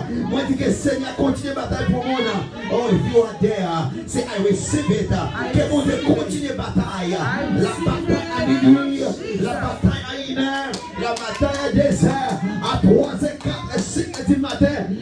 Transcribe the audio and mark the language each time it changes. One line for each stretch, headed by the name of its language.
French: Moi dis que Seigneur continue bataille pour moi.
English: Oh, if you are there, say I receive it.
French: Que mon Dieu continue bataille. La bataille à minuit, la bataille à une heure, la bataille à des heures, à 3 et 4 et 5 du matin.